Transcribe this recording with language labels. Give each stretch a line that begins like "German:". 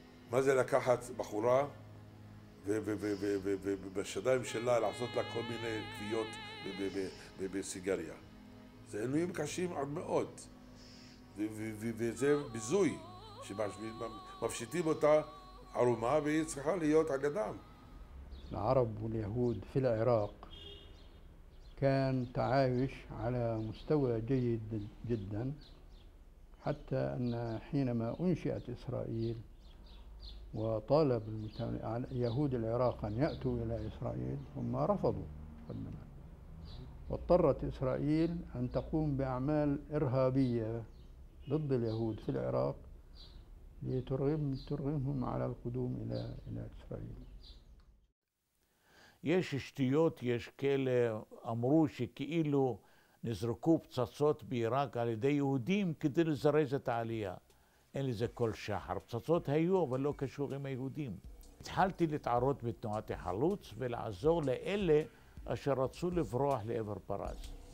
Hebrew: מה זה לקחת בחורה ובשדיים שלה לעשות לה כל מיני כפיות בסיגריה? זה עינויים קשים עד מאוד, וזה ביזוי שמפשיטים אותה ערומה והיא צריכה להיות אגדם.
Arabic: العرب واليهود في العراق كان تعايش على مستوى جيد جدا، حتى أن حينما أنشئت إسرائيل وطالب يهود العراق أن يأتوا إلى إسرائيل هم رفضوا، واضطرت إسرائيل أن تقوم بأعمال إرهابية ضد اليهود في العراق لترغمهم على القدوم إلى إسرائيل.
Hebrew: יש שטויות, יש כאלה אמרו שכאילו נזרקו פצצות בעיראק על ידי יהודים כדי לזרז את העלייה. אין לזה כל שחר. פצצות היו, אבל לא קשור עם היהודים. התחלתי להתערות בתנועת החלוץ ולעזור לאלה אשר רצו לברוח לעבר פרס.